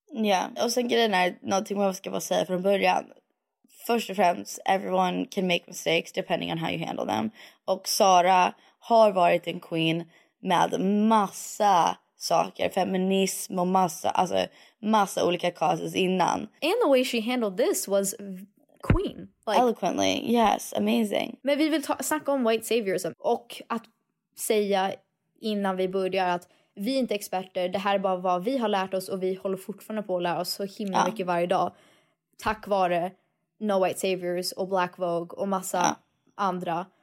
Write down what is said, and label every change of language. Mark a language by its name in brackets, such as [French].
[Swedish] Ja, och sen grejen är någonting man ska bara säga från början. Först och främst, [English] everyone can make mistakes depending on how you handle them. [Swedish] Och Sara har varit en queen med massa saker, feminism och massa, alltså massa olika causes innan. [English] And the way she handled this was queen. Like, eloquently, yes, amazing. [Swedish] Men vi vill snacka om white saviorism och att säga innan vi börjar att vi är inte experter, det här är bara vad vi har lärt oss och vi håller fortfarande på att lära oss så himla mycket varje dag. Tack vare No White Saviors och Black Vogue och massa andra.